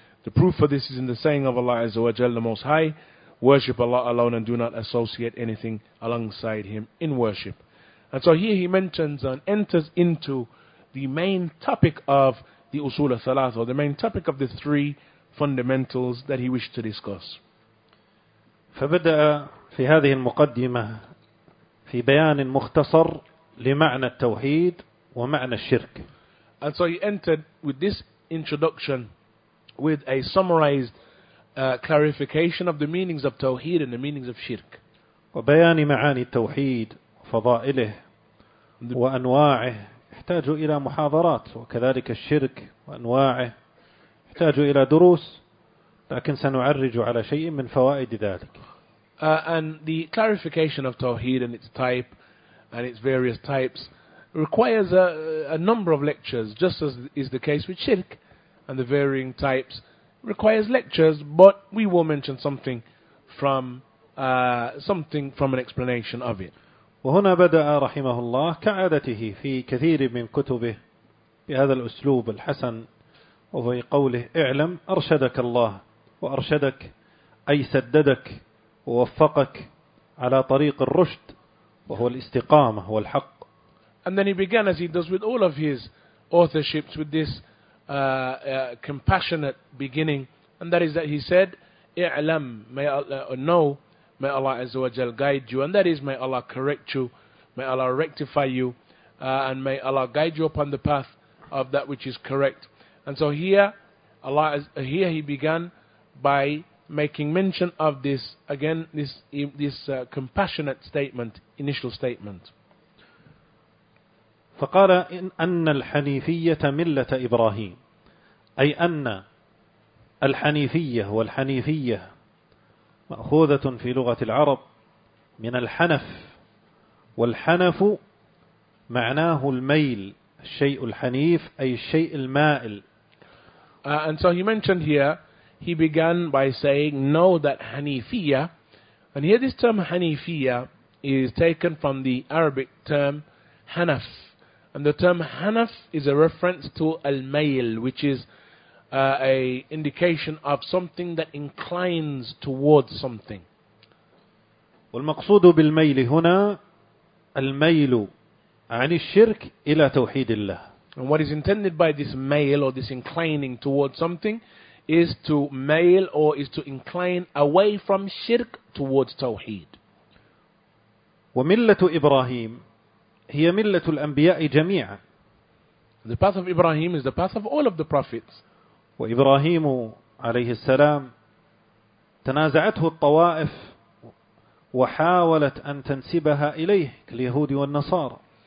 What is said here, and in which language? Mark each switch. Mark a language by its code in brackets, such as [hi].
[en] The proof for this is in the saying of Allah Azza wa Jalla, the Most High, worship Allah alone and do not associate anything alongside him in worship. And so here he mentions and enters into the main topic of the Usul al-Thalath, or the main topic of the three fundamentals that he wished to discuss. [ar] فبدأ في هذه المقدمة في بيان مختصر لمعنى التوحيد ومعنى الشرك. [en] And so he entered with this introduction with a summarized clarification of the meanings of Tawheed and the meanings of Shirk. [ar] وبيان معاني التوحيد وفضائله وأنواعه يحتاج إلى محاضرات، وكذلك الشرك وأنواعه يحتاج إلى دروس، لكن سنعرج على شيء من فوائد ذلك. [en] And the clarification of Tawheed and its type and its various types requires a number of lectures, just as is the case with Shirk and the varying types requires lectures, but we will mention something from an explanation of it. [ar] وهنا بدأ رحمه الله كعادته في كثير من كتبه بهذا الأسلوب الحسن، وفي قوله: اعلم أرشدك الله وأرشدك، أي سددك ووفقك على طريق الرشد، وهو الاستقامة والحق. [en] And then he began, as he does with all of his authorships, with this compassionate beginning, and that is that he said, اعلم، may Allah know, may Allah Azza wa Jal guide you, and that is, may Allah correct you, may Allah rectify you, and may Allah guide you upon the path of that which is correct. And so here he began by making mention of this, again, this compassionate statement, initial statement. [ar] فقال إن أن الحنيفية ملة إبراهيم، أي أن الحنيفية، والحنيفية مأخوذة في لغة العرب من الحنف، والحنف معناه الميل، الشيء الحنيف أي الشيء المائل. [en] And so he mentioned here, he began by saying, know that Hanifiyya, and here this term Hanifiyya is taken from the Arabic term Hanaf. And the term Hanaf is a reference to al-mayl, which is a indication of something that inclines towards something. [ar] والمقصود بالميل هنا الميل عن الشرك إلى توحيد الله. [en] And what is intended by this mayl, or this inclining towards something, is to mail, or is to incline away from shirk towards tawheed. [ar] وملة إبراهيم هي ملة الأنبياء جميعا. [en] The path of Ibrahim is the path of all of the prophets. [ar] وإبراهيم عليه السلام تنازعته الطوائف وحاولت أن تنسبها إليه كاليهود والنصارى.